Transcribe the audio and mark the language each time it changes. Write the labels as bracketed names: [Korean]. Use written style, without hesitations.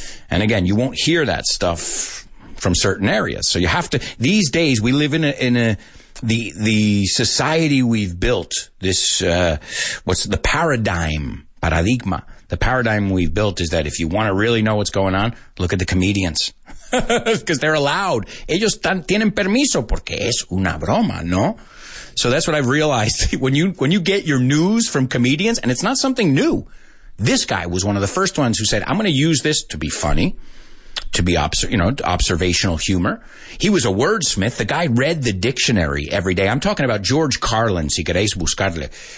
[English] And again, you won't hear that stuff from certain areas. So you have to, these days we live in the society we've built, the paradigm we've built is that if you want to really know what's going on, look at the comedians. Because they're allowed. [Spanish] Ellos tienen permiso porque es una broma, ¿no? [English] So that's what I've realized. When you get your news from comedians, and it's not something new. This guy was one of the first ones who said, I'm going to use this to be funny, to be observational humor. He was a wordsmith. The guy read the dictionary every day. I'm talking about George Carlin, [Spanish] si queréis buscarle.